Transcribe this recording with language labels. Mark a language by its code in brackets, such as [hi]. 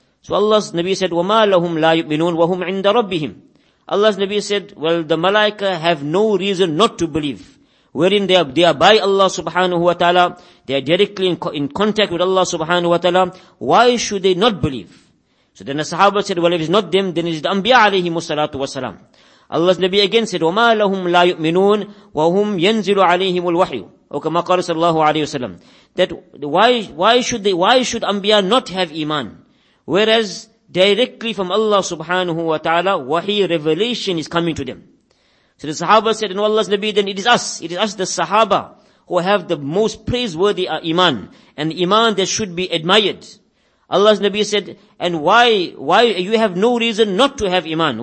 [en] So Allah's Nabi said, [ar] وَمَا لَهُمْ لَا يُؤْمِنُونَ وَهُمْ عِنْدَ رَبِّهِمْ [en] Allah's Nabi said, well, the malaika have no reason not to believe, wherein they are by Allah subhanahu wa ta'ala, they are directly in contact with Allah subhanahu wa ta'ala, why should they not believe? So then the sahaba said, well, if it's not them, then it's the anbiya alayhi musallatu wasalam. [ar] Allah's Nabi again said, وَمَا لَهُمْ لَا يُؤْمِنُونَ وَهُمْ يَنْزِلُ عَلَيْهِمُ الْوَحْيُ وَكَمَا قَالَ صَلَى اللَّهُ عَلَيْهِ وَسَلَّمَ [en] That why should Anbiya not have iman? Whereas directly from Allah subhanahu wa ta'ala, wahi revelation is coming to them. So the Sahaba said, no, Allah's Nabi, then it is us the Sahaba who have the most praiseworthy iman, and iman that should be admired. Allah's Nabi said, and why you have no reason not to have iman?